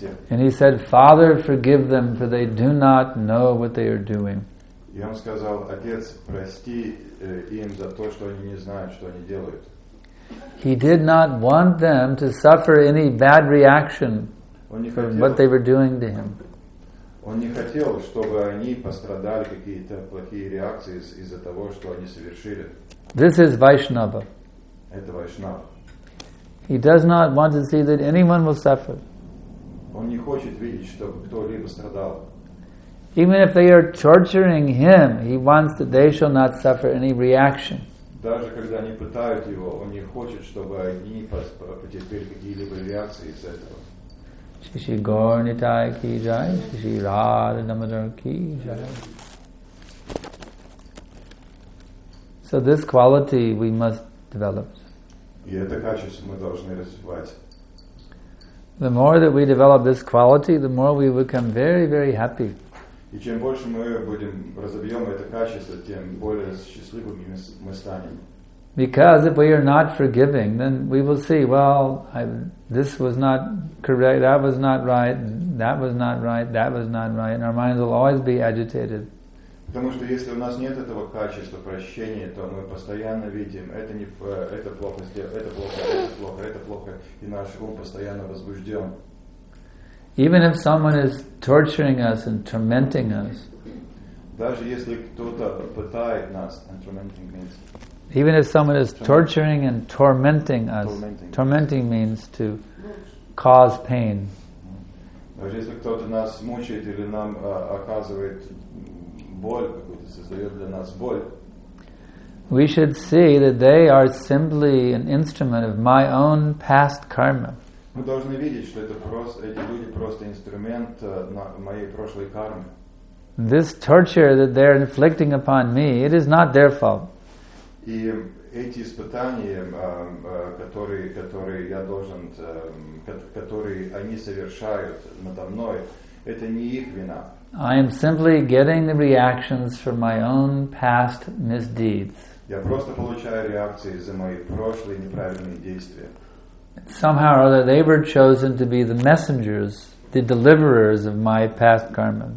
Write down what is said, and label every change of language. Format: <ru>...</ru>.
<en>And he said, Father, forgive them, for they do not know what they are doing.</en> <ru>И он сказал, Отец, прости им за то, что они не знают, что они делают.</ru> <en>He did not want them to suffer any bad reaction for what they were doing to him.</en> <ru>Он не хотел, чтобы они пострадали какие-то плохие реакции из-за того, что они совершили.</ru> <en>This is Vaishnava.</en> <ru>Это Вайшнава.</ru> <en>He does not want to see that anyone will suffer.</en> <ru>Он не хочет видеть, чтобы кто-либо страдал.</ru> <en>Even if they are torturing him, he wants that they shall not suffer any reaction.</en> <ru>Даже когда они пытают его, он не хочет, чтобы они потерпели какие-либо реакции из-за этого.</ru> <hi>Shri Shri Gaur Nitai ki jai, Shri Shri Radha Namadar ki jai.</hi> <en>So this quality we must develop.</en> <ru>И это качество мы должны развивать.</ru> <en>The more that we develop this quality, the more we become very, very happy.</en> <ru>И чем больше мы будем разобьем это качество, тем более счастливыми мы станем.</ru> <en>Because if we are not forgiving, then we will see, well, this was not correct, that was not right, that was not right, that was not right, and our minds will always be agitated.</en> <ru>Потому что если у нас нет этого качества прощения, то мы постоянно видим, это плохо сделано, это плохо, это плохо, это плохо, и наш ум постоянно возбужден.</ru> <en>Even if someone is torturing us and tormenting us,</en> <ru>даже если кто-то пытает нас,</ru> <en>and tormenting means, even if someone is torturing and tormenting us, tormenting means to cause pain.</en> <ru>Даже если кто-то нас мучает или нам оказывает боль, какую-то создает для нас боль,</ru> <en>we should see that they are simply an instrument of my own past karma.</en> <ru>Мы должны видеть, что это просто, эти люди просто инструмент моей прошлой кармы.</ru> <en>This torture that they're inflicting upon me, it is not their fault.</en> <ru>И эти испытания, которые я должен, которые они совершают надо мной, это не их вина.</ru> <en>I am simply getting the reactions from my own past misdeeds.</en> <ru>Я просто получаю реакции за мои прошлые неправильные действия.</ru> <en>Somehow or other, they were chosen to be the messengers, the deliverers of my past karma.</en>